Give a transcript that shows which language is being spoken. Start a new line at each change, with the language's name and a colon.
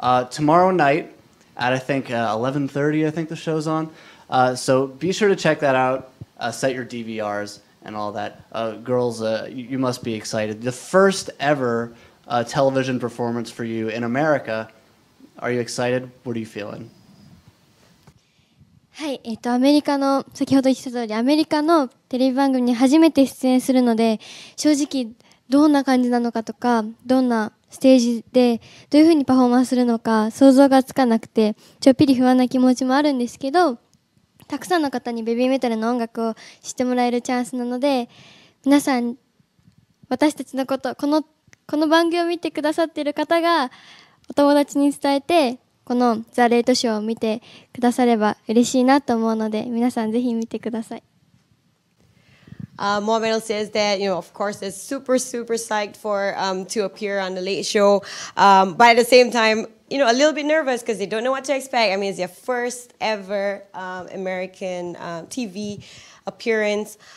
English: Tomorrow night at, I think, 11:30, I think the show's on. So be sure to check that out, set your DVRs and all that. Girls, you must be excited. The first ever television performance for you in America. Are you excited? What are you feeling?
Japanese: はい、アメリカの、先ほど言った通り、アメリカのテレビ番組に初めて出演するので、正直どんな感じなのかとか、どんなステージでどういうふうにパフォーマンスするのか想像がつかなくて、ちょっぴり不安な気持ちもあるんですけど、たくさんの方にベビーメタルの音楽を知ってもらえるチャンスなので、皆さん、私たちのこと、この番組を見てくださっている方が、お友達に伝えて、このザ・レイトショーを見てくだされば嬉しいなと思うので、皆さんぜひ見てください。
English: More Metal says that, you know, of course, is super, super psyched for, to appear on The Late Show. But at the same time, you know, a little bit nervous because they don't know what to expect. I mean, it's their first ever American TV appearance.